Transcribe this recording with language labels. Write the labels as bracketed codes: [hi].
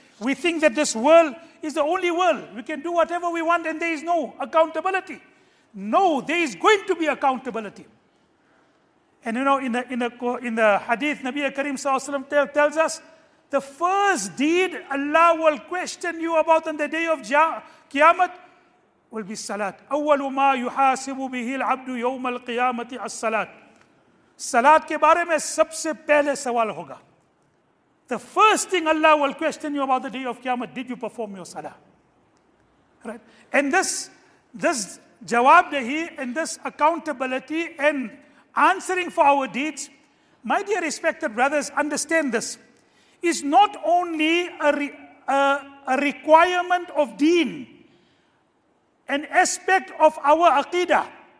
[en] We think that this world is the only world. We can do whatever we want and there is no accountability. No, there is going to be accountability. And you know, in the hadith, Nabi Kareem sallallahu alaihi wasallam tells us The first deed Allah will question you about on the day of Qiyamah will be Salat. [ar] أول ما يحاسب به العبد يوم القيامة الصلاة. [ur] Salat ke bare mein sabse pehle sawal hoga. [en] The first thing Allah will question you about the day of Qiyamah, did you perform your Salah? Right? And this jawabdahi and this accountability and answering for our deeds, my dear respected brothers, understand this, is not only a requirement of deen, an aspect of our aqidah.